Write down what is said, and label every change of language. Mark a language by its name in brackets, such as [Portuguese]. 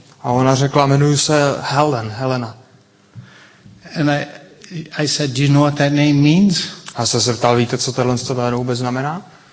[Czech] A ona řekla, jmenuji se Helen, Helena. [English] And I said, do you know what that name means? [Czech] A se zeptal, víte, co tohle jméno vůbec znamená?